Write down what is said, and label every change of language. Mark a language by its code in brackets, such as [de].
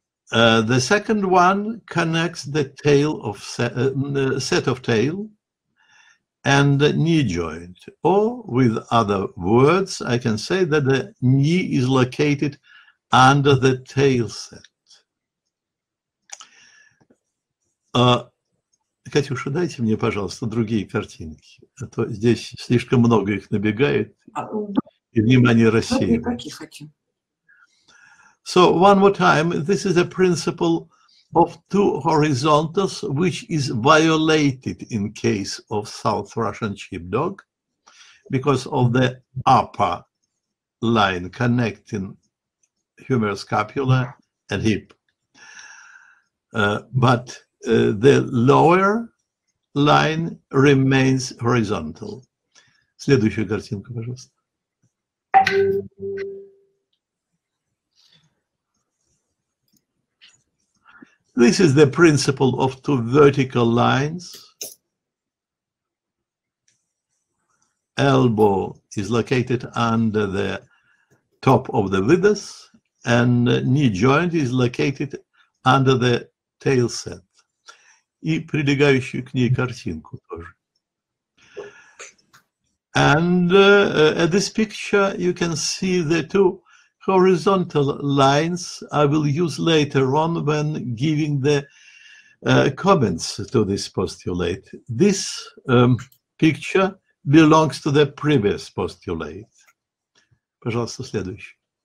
[en] The second one connects the tail of set of tail and the knee joint. Or with other words, I can say that the knee is located under the tail set. [ru] Катюша, дайте мне, пожалуйста, другие картинки, а то здесь слишком много их набегает, и внимание рассеивается. [en] So, one more time, this is a principle of two horizontals, which is violated in case of South Russian sheepdog, because of the upper line connecting humeral scapula and hip. But the lower line remains horizontal. [ru] Следующая картинка, пожалуйста. [en] This is the principle of two vertical lines. Elbow is located under the top of the withers, and knee joint is located under the tail set. [ru] И прилегающую к ней картинку тоже. [en] And at this picture, you can see the two horizontal lines I will use later on when giving the comments to this postulate. This picture belongs to the previous postulate. [ru] Пожалуйста, следующий.